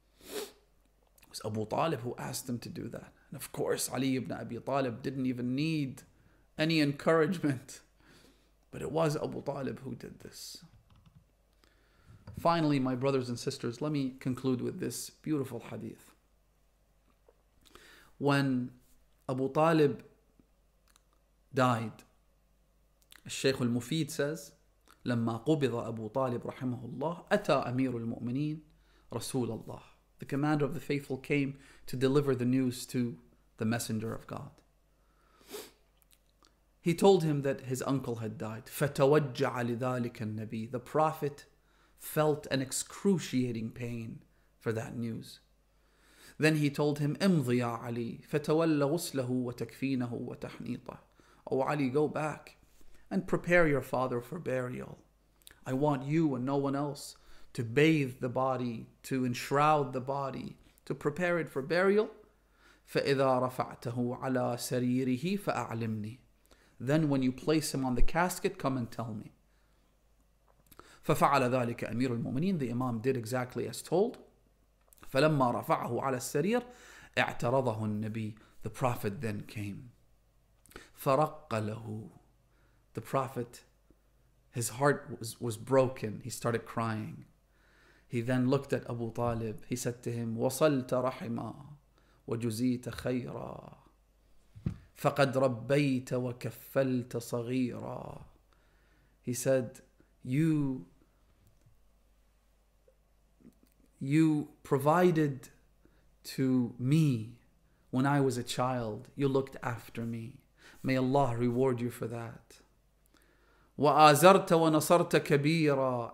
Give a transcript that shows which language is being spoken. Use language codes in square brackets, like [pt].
[en] It was Abu Talib who asked him to do that. And of course, Ali ibn Abi Talib didn't even need any encouragement. But it was Abu Talib who did this. Finally, my brothers and sisters, let me conclude with this beautiful hadith. When Abu Talib died, [ar] الشيخ المفيد [en] says, [ar] لما قبض أبو طالب رحمه الله أتى أمير المؤمنين رسول الله. [en] The commander of the faithful came to deliver the news to the messenger of God. He told him that his uncle had died. [ar] فتوجع لذلك النبي. [en] The prophet felt an excruciating pain for that news. Then he told him, [ar] امضي يا علي فتولى غسله وتكفينه وتحنيطه. [en] O Ali, go back and prepare your father for burial. I want you and no one else to bathe the body, to enshroud the body, to prepare it for burial. [ar] فإذا رفعته على سريره فأعلمني. [en] Then when you place him on the casket, come and tell me. [ar] ففعل ذلك أمير المؤمنين. [en] The Imam did exactly as told. [ar] فلما رفعه على السرير اعترضه النبي. [en] The Prophet then came. [ar] فرقله. [en] The Prophet, his heart was broken. He started crying. He then looked at Abu Talib. He said to him, [ar] وَصَلْتَ رَحِمًا وَجُزِيتَ خَيْرًا فَقَدْ رَبَّيْتَ وَكَفَّلْتَ صَغِيرًا. [en] He said, You provided to me when I was a child. You looked after me. May Allah reward you for that. [ar] وَآزَرْتَ وَنَصَرْتَ كَبِيرًا.